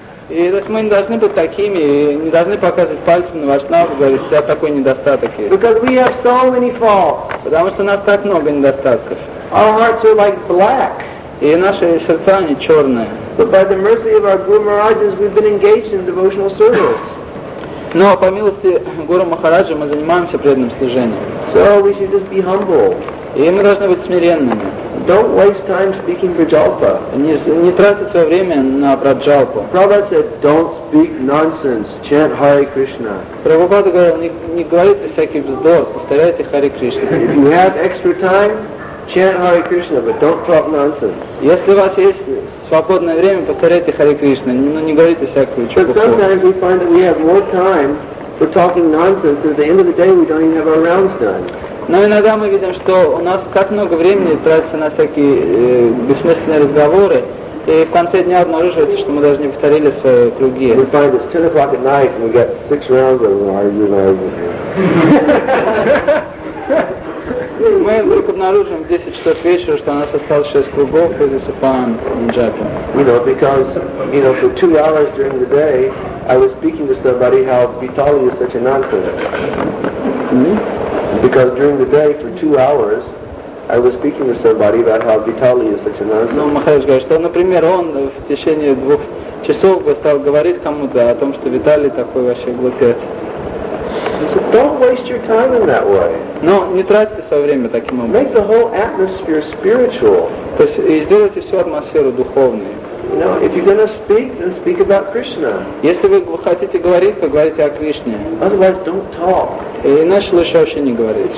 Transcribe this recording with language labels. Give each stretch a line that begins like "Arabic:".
Russian: И то есть мы не должны быть такими, и не должны показывать пальцем на вайшнава, говорить, у тебя такой недостаток есть.
English: Because we have so many faults.
Russian: Потому что у нас так много недостатков.
English: Our hearts are like black.
Russian: И наши сердца, они черные.
English: But by the mercy of our Guru Maharajas, we've been engaged in devotional service.
Russian: Но по милости Гуру Махараджа мы занимаемся преданным служением.
English: So we should just be humble.
Russian: И мы должны быть смиренными.
English: Don't waste time speaking for japa.
Russian: Не тратить свое время на праджалпу.
English: Prabhupada said, don't speak nonsense, chant Hare Krishna.
Russian: Прабхупада говорил, не говорите всякий вздор, повторяйте Hare Krishna.
English: If you have extra time, chant Hare Krishna, but don't talk nonsense.
Russian: Если у вас есть свободное время, повторяйте Hare Krishna, но не говорите всякую чепуху.
English: But sometimes we find that we have more time for talking nonsense, and at the end of the day we don't even have our rounds done.
Russian: Но иногда мы видим, что у нас так много времени тратится на всякие бессмысленные разговоры, и в конце дня обнаруживается, что мы даже не повторили свои круги.
English: We find it's 10 o'clock at night, and we got 6 rounds of arguing.
Russian: Мы вдруг обнаружим в 10 часов вечера, что у нас осталось 6 кругов, и засыпаем на джапе.
English: You know, because, you know, for 2 hours during the day, I was speaking to somebody how Vitali is such a nonsense. Because during the day, for 2 hours, I was speaking to somebody about how Vitali is such a nonsense.
Russian: Ну, Махарадж говорит, что, например, он в течение 2 часов стал говорить кому-то о том, что Виталий такой вообще глупец.
English: Don't waste your time in that way.
Russian: Но не тратьте свое время таким образом.
English: Make the whole atmosphere spiritual.
Russian: То есть, и сделайте всю атмосферу духовной.
English: You know, if you're going to speak, then speak about Krishna.
Russian: Если вы хотите говорить, то говорите о Кришне.
English: Otherwise, don't talk.
Russian: И иначе лучше вообще не говорить.